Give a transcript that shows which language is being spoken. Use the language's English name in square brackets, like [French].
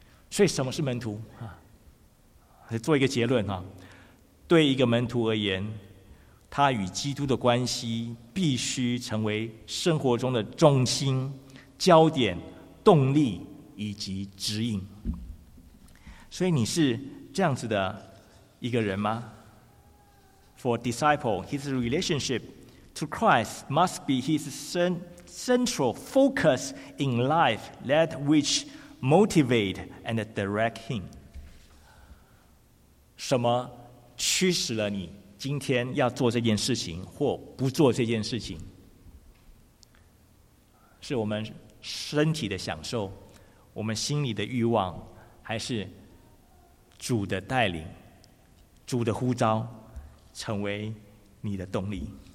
[Chinese] 所以什么是门徒啊？做一个结论啊，对一个门徒而言，他与基督的关系必须成为生活中的重心、焦点、动力以及指引。所以你是这样子的一个人吗？ [English] For disciple, his relationship to Christ must be his central focus in life, that which motivate and direct him. [Chinese] 什么驱使了你今天要做这件事情或不做这件事情？是我们身体的享受，我们心里的欲望，还是主的带领、主的呼召成为你的动力？